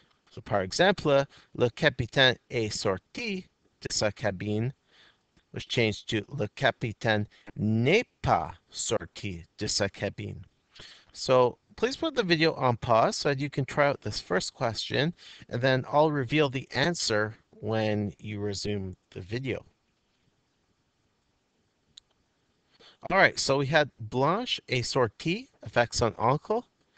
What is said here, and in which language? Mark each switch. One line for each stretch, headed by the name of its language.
English: So,
French: par exemple, le capitaine est sorti de sa cabine.
English: Was changed to
French: le capitaine n'est pas sorti de sa cabine.
English: So please put the video on pause so that you can try out this first question, and then I'll reveal the answer when you resume the video. All right, so we had
French: Blanche est sortie avec son oncle.